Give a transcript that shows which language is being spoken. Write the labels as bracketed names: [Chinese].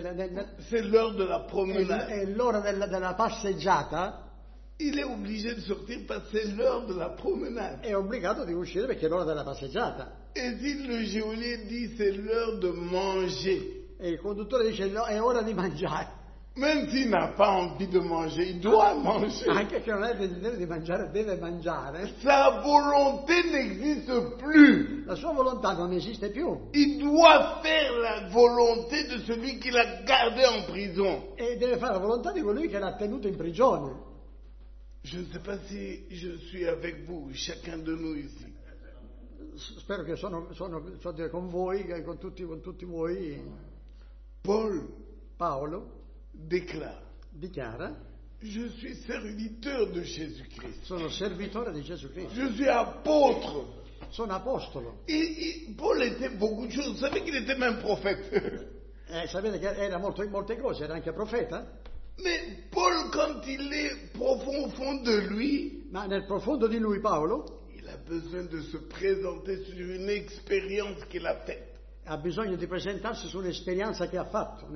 [French] c'est l'heure de la promenade. [Italian] È l'ora della passeggiata. [French] Il est obligé de sortir parce que c'est l'heure de la promenade. [Italian] È obbligato di uscire perché è l'ora della passeggiata. [French] E si le geolier dit c'est l'heure de manger. [Italian] E il conduttore dice no, è ora di mangiare. [French] Même s'il n'a pas envie de manger, il doit manger. [Italian] Anche se non ha il desiderio di mangiare, deve mangiare. [French] Sa volonté n'existe plus. [Italian] La sua volontà non esiste più. [French] Il doit faire la volonté de celui qui l'a gardé en prison. [Italian] E deve fare la volontà di colui che l'ha tenuto in prigione. [French] Je ne sais pas si je suis avec vous, chacun de nous ici. [Italian] Spero che sono con voi, con tutti voi. Paolo dichiara: [French] je suis serviteur de Jésus-Christ. [Italian] Sono servitore di Gesù Cristo. [French] Je suis apôtre. [Italian] Sono apostolo. [French] Paul était beaucoup de choses. Vous savez qu'il était même prophète. [Italian] Sapete che era molte cose, era anche profeta. [French] Mais Paul, quand il est profond au fond de lui, [Italian] ma nel profondo di lui, Paolo, [French] il a besoin de se présenter sur une expérience qu'il a faite. [Italian] Ha bisogno di presentarsi su un'esperienza che ha fatto.